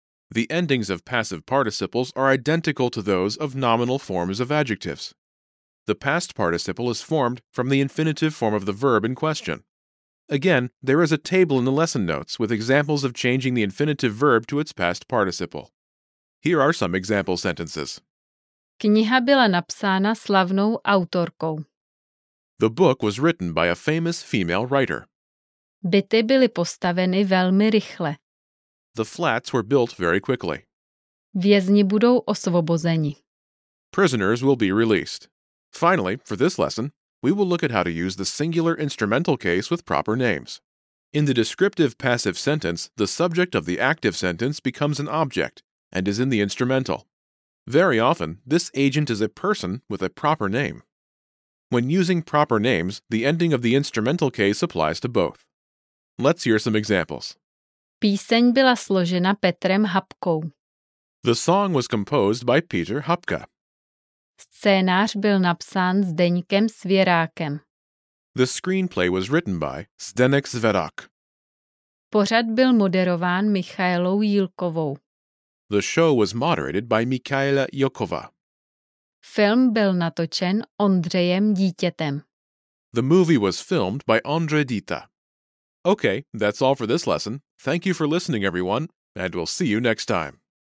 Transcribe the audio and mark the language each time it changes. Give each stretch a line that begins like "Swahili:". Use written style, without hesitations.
English: The endings of passive participles are identical to those of nominal forms of adjectives. The past participle is formed from the infinitive form of the verb in question. Again, there is a table in the lesson notes with examples of changing the infinitive verb to its past participle. Here are some example sentences.
Czech: Kniha byla napsána slavnou autorkou.
English: The book was written by a famous female writer.
Czech: Byty byly postaveny velmi rychle.
English: The flats were built very quickly.
Czech: Vězni budou osvobozeni.
English: Prisoners will be released. Finally, for this lesson, we will look at how to use the singular instrumental case with proper names. In the descriptive passive sentence, the subject of the active sentence becomes an object and is in the instrumental. Very often, this agent is a person with a proper name. When using proper names, the ending of the instrumental case applies to both. Let's hear some examples.
Czech: Píseň byla složena Petrem Hapkou.
English: The song was composed by Peter Hapka.
Czech: Scénář byl napsán Zdeňkem Svěrákem.
English: The screenplay was written by Zdeněk Svěrák.
Czech: Pořad byl moderován Michailou Jílkovou.
English: The show was moderated by Michaela Jílková.
Czech: Film byl natočen Ondřejem Dítětem.
English: The movie was filmed by Ondřej Dítě. Okay, that's all for this lesson. Thank you for listening, everyone, and we'll see you next time.